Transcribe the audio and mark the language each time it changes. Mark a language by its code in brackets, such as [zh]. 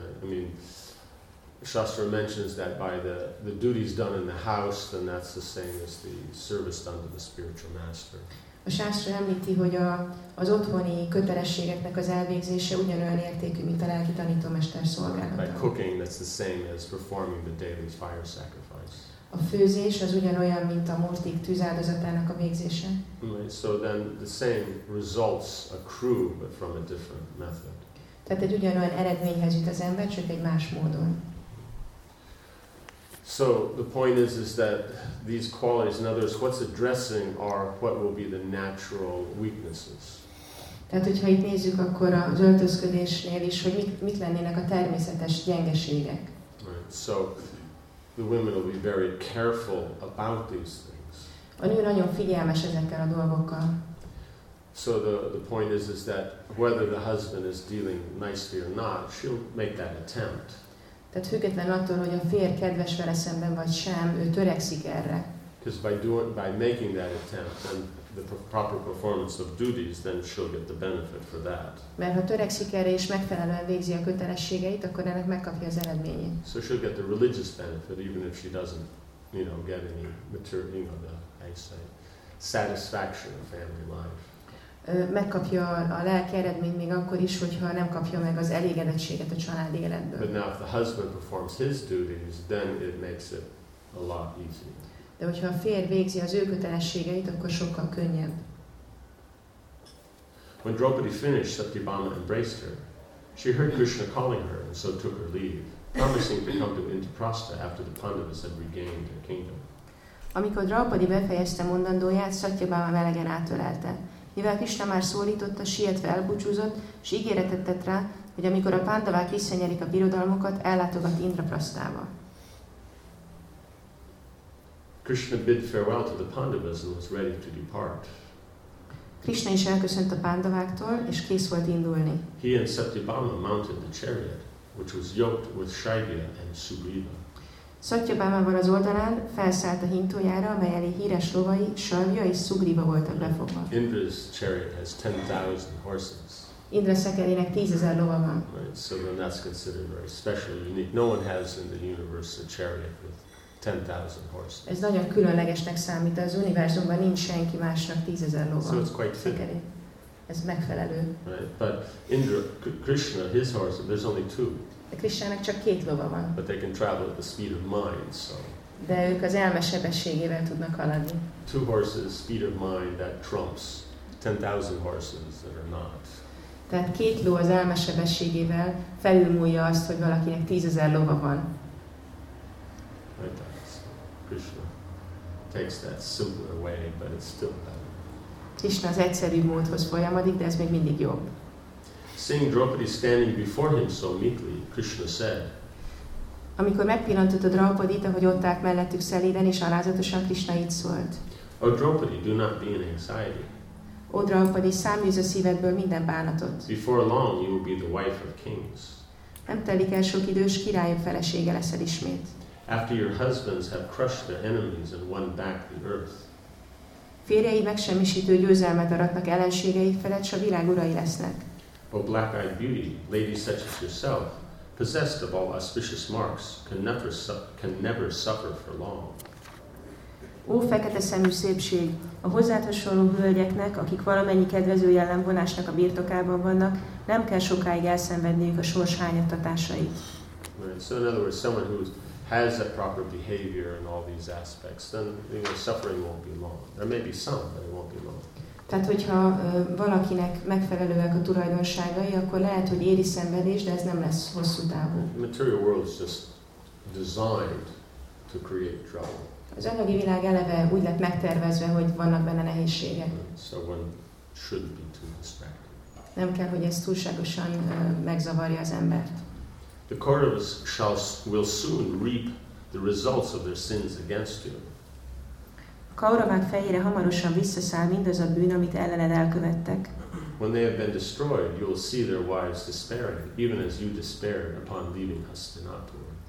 [en] I mean, Shastra mentions that by the duties done in the house, then that's the same as the service done to the spiritual master. [hu] A Sásztra említi, hogy az otthoni kötelességeknek az elvégzése ugyanolyan értékű, mint a lelki tanítómester szolgálata. [en] By cooking, that's the same as performing the daily fire sacrifice. [hu] A főzés az ugyanolyan, mint a mortik tűzáldozatának a végzése. [en] So then the same results accrue, but from a different method. [hu] Tehát egy ugyanolyan eredményhez jut az ember, csak egy más módon. [en] So the point is that these qualities, in other words, what's addressing are what will be the natural weaknesses. [hu] Tehát, hogyha itt nézzük, akkor az öltözködésnél is, hogy mit lennének a természetes gyengeségek. [en] Right. So the women will be very careful about these things. [hu] A nő nagyon figyelmes ezekkel a dolgokkal. [en] So the point is that whether the husband is dealing nicely or not, she'll make that attempt. [hu] Tehát függetlenül attól, hogy a férj kedves vele szemben vagy sem, ő törekszik erre. [en] Because by making that attempt and the proper performance of duties, then she'll get the benefit for that. [hu] Mert ha törekszik erre és megfelelően végzi a kötelességeit, akkor ennek megkapja az eredményét. [en] So she'll get the religious benefit even if she doesn't, you know, get any material, you know, the, I say, satisfaction of family life. [hu] Megkapja a lelki eredményt még akkor is, hogyha nem kapja meg az elégedettséget a családi életből. [en] But now if the husband performs his duties, then it makes it a lot easier. [hu] De hogyha a férj végzi az ő kötelességeit, akkor sokkal könnyebb. [en] When Draupadi finished, Satyabhama embraced her. She heard Krishna calling her and so took her leave, promising to come to Indraprastha after the Pandavas had regained their kingdom. [hu] Amikor Draupadi befejezte mondandóját, Satyabhama melegen átölelte. Mivel Krishna már szólította, sietve elbúcsúzott, s ígéretet tett rá, hogy amikor a Pandavák visszanyerik a birodalmukat, ellátogat Indraprasztába. [en] Krishna bid farewell to the Pandavas and was ready to depart. [hu] Krishna is elköszönt a Pandaváktól, és kész volt indulni. [en] He and Satyabhama mounted the chariot, which was yoked with Shaiva and Sugriva. [hu] Satyabhamával az oldalán felszállt a hintójára, amely elé híres lovai, Sarvja és Sugriva voltak befogva. [en] Indra's chariot has 10,000 horses. [hu] Indra szekerének 10,000 lova van. [en] Right, so then that's considered very special, unique. No one has in the universe a chariot with 10,000 horses. [hu] Ez nagyon különlegesnek számít, az univerzumban nincs senki másnak 10,000 lova. [en] So it's quite fitting. [hu] Ez megfelelő. [en] Right, but Indra, Krishna, his horse, there's only two. [hu] De Krishnának csak két lova van. [en] But they can travel at the speed of mind, so. [hu] De ők az elme sebességével tudnak haladni. [en] Two horses, speed of mind, that trumps 10,000 horses that are not. [hu] Tehát két ló az elme sebességével felülmúlja azt, hogy valakinek 10,000 lova van. [en] Right, so Krishna takes that simpler way, but it's still better. [hu] Krishna az egyszerűbb módhoz folyamodik, de ez még mindig jobb. [en] Seeing Draupadi standing before him so meekly, Krishna said. [hu] Amikor megpillantotta Draupadit, ahogy ott állt mellettük szelíden és alázatosan, Krishna így szólt. [en] O Draupadi, do not be in anxiety. [hu] O Draupadi, száműz a szívedből minden bánatot. [en] Before long you will be the wife of kings. [hu] Nem telik el sok idős, királyok felesége leszel ismét. [en] After your husbands have crushed their enemies and won back the earth. [hu] Férjei megsemmisítő győzelmet aratnak ellenségeik felett, s a világ urai lesznek. [en] O black-eyed beauty, lady such as yourself, possessed of all auspicious marks, can never suffer for long. [hu] Ó, fekete szemű szépség, a hozzád hasonló hölgyeknek, akik valamennyi kedvező jellemvonásnak a birtokában vannak, nem kell sokáig elszenvedniük a sors hányattatásait. [en] Right. So in other words, someone who has that proper behavior in all these aspects, then you know, suffering won't be long. There may be some, but it won't be long. [hu] Tehát, hogyha valakinek megfelelőek a tulajdonságai, akkor lehet, hogy éri szenvedés, de ez nem lesz hosszú távú. [en] The material world is just designed to create trouble. [hu] Az anyagi világ eleve úgy lett megtervezve, hogy vannak benne nehézségek. [en] So one shouldn't be too distracted. [hu] Nem kell, hogy ez túlságosan megzavarja az embert. [en] The Kauravas will soon reap the results of their sins against you. [hu] Kauravák fejére hamarosan visszaszáll mindaz a bűn, amit ellened elkövettek. [en] When they have been destroyed, you will see their wives despairing, even as you despaired upon leaving Hastinapur.